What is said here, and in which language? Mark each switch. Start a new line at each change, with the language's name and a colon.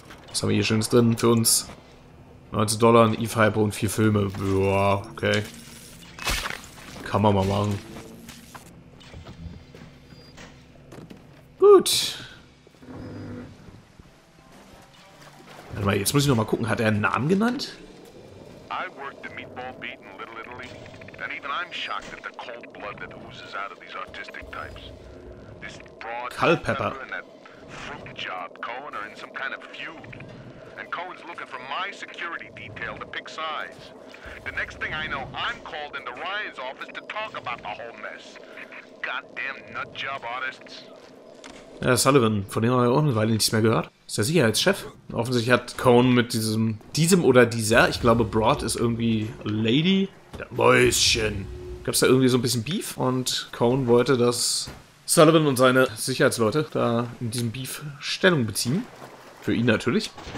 German: Was haben wir hier Schönes drin für uns? 19 Dollar, ein E-Fiber und 4 Filme. Boah, okay. Kann man mal machen. Gut. Warte mal, jetzt muss ich noch mal gucken, hat er einen Namen genannt?
English: I worked the meatball beat in Little Italy, and even I'm shocked at the cold blood that oozes out of these artistic types. This broad Culpepper and that fruit job Cohen are in some kind of feud. And Cohen's looking for my security detail to pick sides. The next thing I know, I'm called into Ryan's office to talk about the whole mess. Goddamn nutjob artists.
German: Ja, Sullivan, von dem haben wir auch eine Weile nichts mehr gehört. Ist der Sicherheitschef? Offensichtlich hat Cohen mit diesem oder dieser, ich glaube Broad ist irgendwie Lady, der Mäuschen. Gab's da irgendwie so ein bisschen Beef und Cohen wollte, dass Sullivan und seine Sicherheitsleute da in diesem Beef Stellung beziehen. Für ihn natürlich.